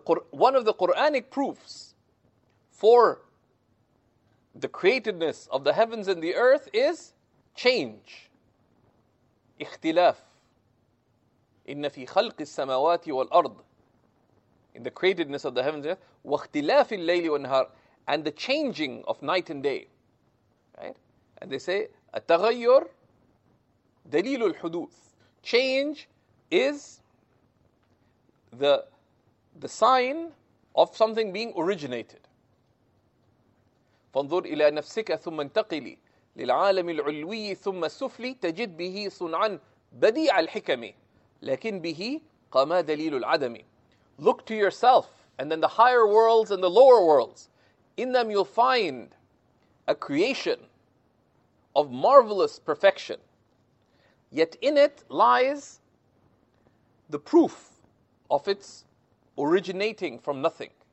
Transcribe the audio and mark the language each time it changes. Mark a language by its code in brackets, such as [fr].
[en] One of the Quranic proofs for the createdness of the heavens and the earth is change. [ar] اختلاف. إن في خلق السماوات والأرض. [en] In the createdness of the heavens and the earth. [ar] واختلاف الليل والنهار. [en] And the changing of night and day. Right? And they say, [ar] التغير دليل الحدوث. [en] Change is the sign of something being originated. [ar] فانظر إلى نفسك ثم انتقلي للعالم العلوي ثم السفلي تجد به صنعا بديع الحكم لكن به قام دليل العدم. [en] Look to yourself and then the higher worlds and the lower worlds. In them you'll find a creation of marvelous perfection. Yet in it lies the proof of its originating from nothing.